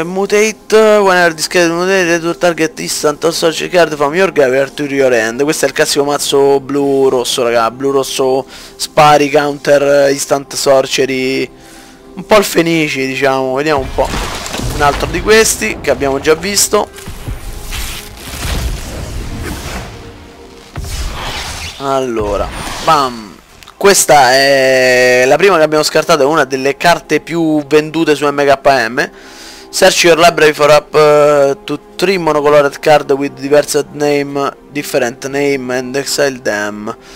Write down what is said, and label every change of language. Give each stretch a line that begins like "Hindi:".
English: Mutate whenever discarded mutate to target instant or search card from your graveyard to your hand.
Italian: Questo è il classico mazzo blu rosso, raga, blu rosso spari counter instant sorcery, un po' il fenice, diciamo. Vediamo un po' un altro di questi che abbiamo già visto. Allora, bam. Questa è la prima che abbiamo scartato, è una delle carte più vendute su MKM.
English: Search your library for up to 3 monocolored card with diverse name, different name and exile them.